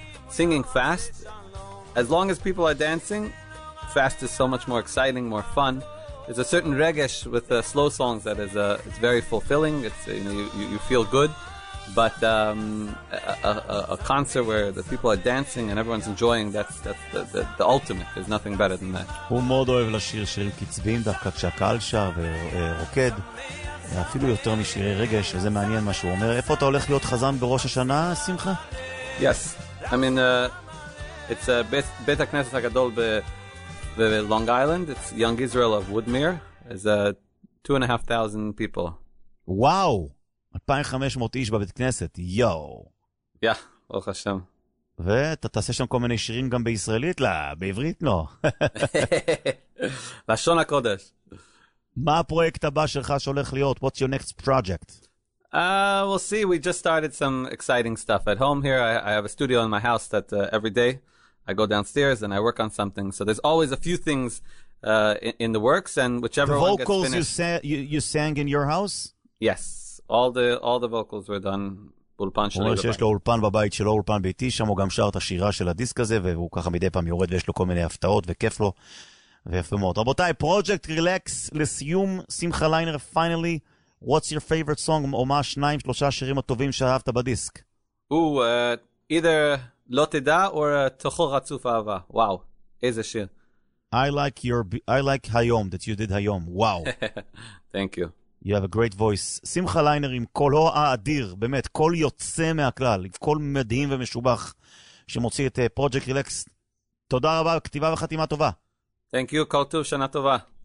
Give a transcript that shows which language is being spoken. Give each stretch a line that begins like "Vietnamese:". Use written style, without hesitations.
English: Singing fast, as long as people are dancing, fast is so much more exciting, more fun. There's a certain regesh with the slow songs that is it's very fulfilling. It's, you know, you feel good. But a concert where the people are dancing and everyone's enjoying, that's the ultimate. There's nothing better than that.
Hebrew: הוא מאוד אוהב לשיר שירים קצביים, דווקא כשהקהל שר ורוקד. אפילו יותר משירי רגש, וזה מעניין מה שהוא אומר. איפה אתה הולך להיות חזן בראש השנה, שמחה?
English: Yes. I mean, it's
Hebrew: בית הכנסת הגדול ב...
English: Long Island, it's Young Israel of Woodmere. It's 2,500 people. Wow!
Hebrew: 2,500 איש בבית כנסת. Yo! יא, ברוך השם. ואתה תעשה שם כל מיני שירים גם בישראלית? לא, בעברית לא. לשון הקודש. מה הפרויקט הבא שלך שהולך להיות?
English: What's your next project? We'll see. We just started some exciting stuff at home here. I have a studio in my house that every day I go downstairs and I work on something. So there's always a few things in the works, and whichever the one gets finished. The vocals you sang in your house? Yes. All the vocals were done.
Hebrew: אולפן שלי בבית. הוא אומר שיש לו אולפן בבית שלו, אולפן ביתי, שם הוא גם שר את השירה של הדיסק הזה, והוא ככה מדי פעם יורד ויש לו כל מיני הפתעות וכיף לו. ויפה מאוד. רבותיי, פרויקט רילקס לסיום, שמחה ליינר,
English: finally, what's your favorite song,
Hebrew: או מה שניים, שלושה שירים הטובים שאהבת בדיסק?
English: Either
Hebrew: לא תדע, או תוכל רצוף אהבה. וואו, איזה שיר.
English: I like היום, that you did היום.
Hebrew: וואו.
English: Thank you. You have a great voice.
Hebrew: שמחה ליינר עם קולו האדיר, באמת, קול יוצא מהכלל, קול מדהים ומשובח, שמוציא את Project Relax. תודה רבה, כתיבה וחתימה טובה.
English: Thank you,
Hebrew: כל טוב, שנה טובה.